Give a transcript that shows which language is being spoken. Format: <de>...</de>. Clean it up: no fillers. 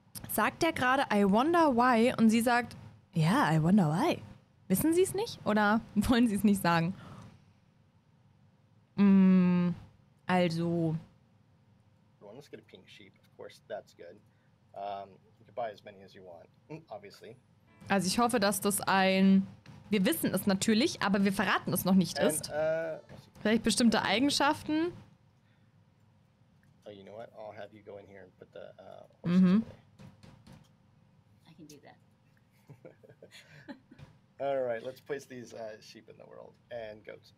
<de>Sagt er gerade,</de> <en>I wonder why,</en> <de>und sie sagt, ja,</de> <en>yeah, I wonder why.</en> <de>Wissen sie es nicht oder wollen sie es nicht sagen? Also.</de> <en>Let's get a pink sheep, of course, that's good. You can buy as many as you want, obviously.</en> <de>Also ich hoffe, dass das ein, wir wissen es natürlich, aber wir verraten es noch nicht ist. Vielleicht bestimmte Eigenschaften.</de> <en>Oh, you know what, I'll have you go in here and put the horse mm-hmm. All right, let's place these sheep in the world and goats.</en>